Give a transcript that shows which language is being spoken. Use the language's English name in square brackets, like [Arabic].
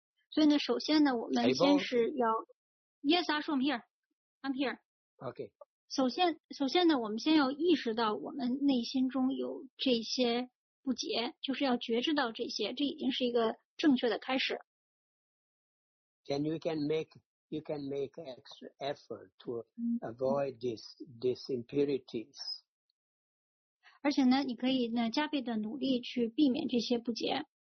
[Chinese] 所以呢，首先呢，我们先是要 ， [English] Yes, [Chinese] 阿叔 ， [English] I'm here. I'm here. Okay. [Chinese] 首先呢，我们先要意识到我们内心中有这些不洁，就是要觉知到这些，这已经是一个正确的开始。 [English] Then you can make extra effort to avoid these impurities. [Chinese] 而且呢，你可以呢加倍的努力去避免这些不洁。